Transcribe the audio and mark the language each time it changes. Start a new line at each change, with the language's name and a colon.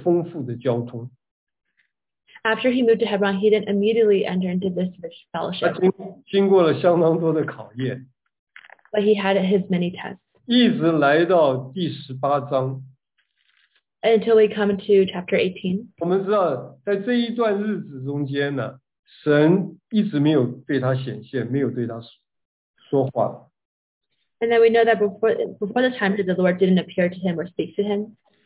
Chinese: 他搬到希伯伦呢，不是立刻就进入这丰富的交通。
English: After he moved to Hebron, he didn't immediately enter into this rich fellowship.
Chinese: 他经过了相当多的考验。
English: But he had his many tests.
Chinese: 一直来到第18章。
English: Until we come to chapter 18.
Chinese: 我们知道，在这一段日子中间呢， 神一直没有对他显现，没有对他说话。
English: And then we know that before the time that the Lord didn't appear to him or speak to him.